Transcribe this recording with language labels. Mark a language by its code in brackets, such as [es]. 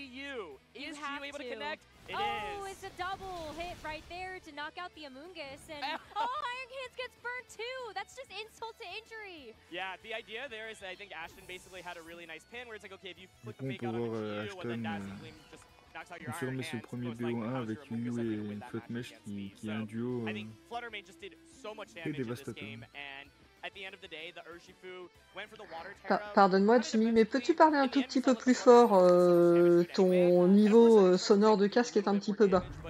[en] Oh, it's a double hit right there to knock out the Amoongus, and oh, Iron Hands gets burnt too. That's just insult to injury. Yeah, the idea there is that I think Ashton basically had a really nice pin where it's like, okay, if you flick the fake out of Yuyu, and then Ashton just knocks out your Iron Hands. [fr] Confirmer ce premier BO1 avec Yuyu et une Fluttermesh qui est un duo. [en] I think Fluttermane just did so much damage in this game, and at the end of the day, the Urshifu went for the water terror. [fr] Pardonne-moi Jimmy, mais peux-tu parler un tout petit peu plus fort? Ton niveau sonore de casque est un petit peu bas.